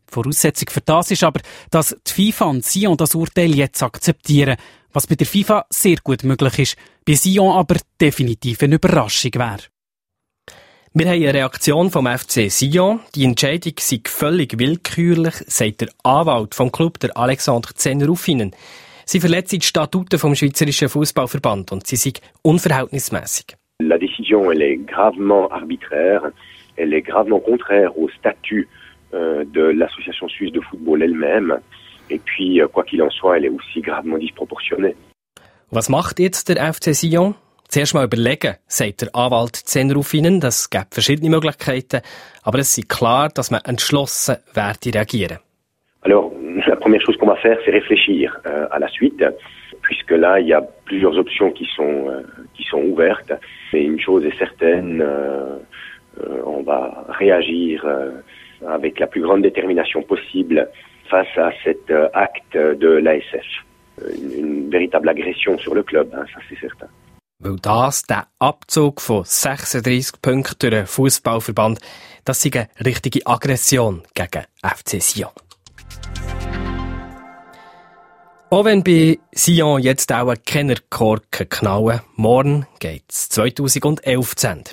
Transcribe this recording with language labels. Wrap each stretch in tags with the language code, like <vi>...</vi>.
<de>Voraussetzung für das ist aber, dass die FIFA und Sion das Urteil jetzt akzeptieren, was bei der FIFA sehr gut möglich ist, bei Sion aber definitiv eine Überraschung wäre. Wir haben eine Reaktion vom FC Sion. Die Entscheidung sei völlig willkürlich, sagt der Anwalt vom Club, der Alexandre Zehner-Ruffinen. Sie verletzen die Statuten vom Schweizerischen Fußballverband und sie sind unverhältnismäßig.</de> <fr>La décision elle est gravement arbitraire, elle est gravement contraire au statut de l'Association suisse de football elle-même et puis quoi qu'il en soit, elle est aussi gravement disproportionnée.</fr> <de>Was macht jetzt der FC Sion? Zuerst mal überlegen, sagt der Anwalt Zehner-Ruffinen, das gäbe verschiedene Möglichkeiten, aber es ist klar, dass man entschlossen werde reagieren.</de> <fr>Alors, la première chose qu'on va faire, c'est réfléchir à la suite, puisque là, il y a plusieurs options qui sont ouvertes. Mais une chose est certaine, on va réagir avec la plus grande détermination possible face à cet acte de l'ASF. Une véritable agression sur le club, hein, ça c'est certain.</fr> <de>Weil das, der Abzug von 36 Punkten durch den Fußballverband, das sei eine richtige Aggression gegen FC Sion. Auch wenn bei Sion jetzt auch keine Korken knallen, morgen geht es 2011 zu Ende.</de>